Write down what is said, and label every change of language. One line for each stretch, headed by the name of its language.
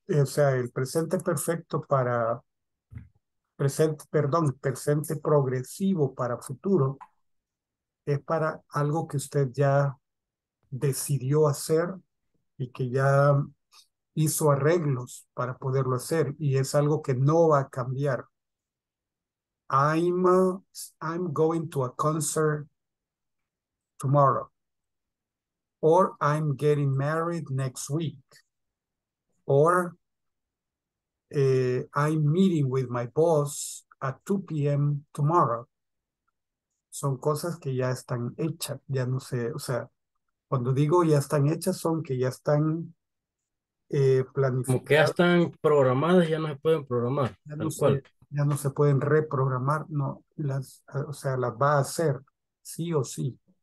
Spanish: O sea, el presente perfecto para presente, perdón, presente progresivo para futuro es para algo que usted ya decidió hacer y que ya hizo arreglos para poderlo hacer y es algo que no va a cambiar.
English: I'm going to a concert tomorrow or I'm getting married next week or I'm meeting with my boss at 2 p.m. tomorrow.
Spanish: Son cosas que ya están hechas, ya no sé, o sea, cuando digo ya están hechas son que ya están planificadas. Como que ya están programadas, ya no se pueden programar. Ya no se pueden reprogramar, no, o sea, las va a hacer, sí o sí.